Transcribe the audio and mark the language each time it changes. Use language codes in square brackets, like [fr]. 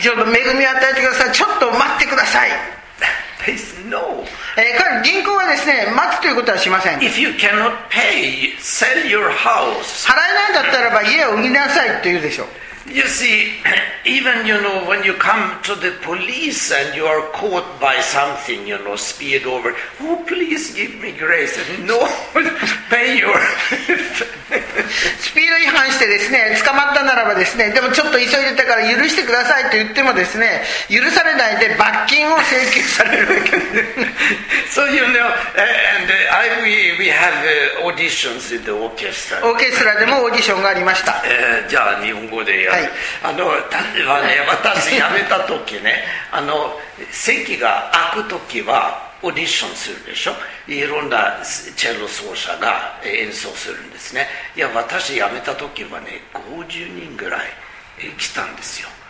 [ja] ちょっと恵みを与えてください。ちょっと待ってください。 [en] No. [ja] 銀行はですね、待つということはしません。 [en] If you cannot pay, sell your house. [ja] 払えないんだったらば家を売りなさいと言うでしょう。 [en] You see, even you know when you come to the police and you are caught by something, you know, speed over. Oh, please give me grace. No, pay your. [ja] スピード違反してですね、捕まったならばですね、でもちょっと急いでたから許してくださいと言ってもですね、許されないで罰金を請求されるわけです。 [en] So you know, and we have auditions in the orchestra. [ja] オーケストラでもオーディションがありました。じゃあ日本語で。はい、例えばね、私辞めた時ね、席が空く時はオーディションするでしょ。いろんなチェロ奏者が演奏するんですね。いや、私辞めた時はね、50人ぐらい来たんですよ。